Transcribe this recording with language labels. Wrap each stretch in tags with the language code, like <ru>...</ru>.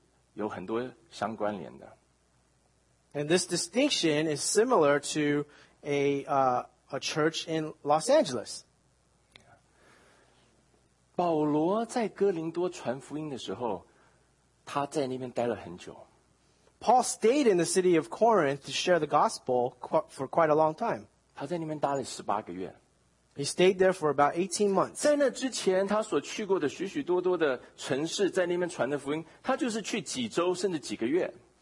<zh>而这些许多不同的这个特点呢，事实上就是跟我们今天所处在特别我们可以说像是在洛杉矶这样一个大都会里面的这个居民是有很多相关联的。And</zh> <en>this distinction is similar to a church in Los Angeles.</en> <zh>保罗在哥林多传福音的时候， 他在那边待了很久。</zh> <en>Paul stayed in the city of Corinth to share the gospel for quite a long time.</en> <zh>他在那边待了18个月。</zh> <en>He stayed there for about 18 months.</en> <zh>在那之前，他所去过的许许多多的城市，在那边传的福音， 他就是去几周，甚至几个月。</zh>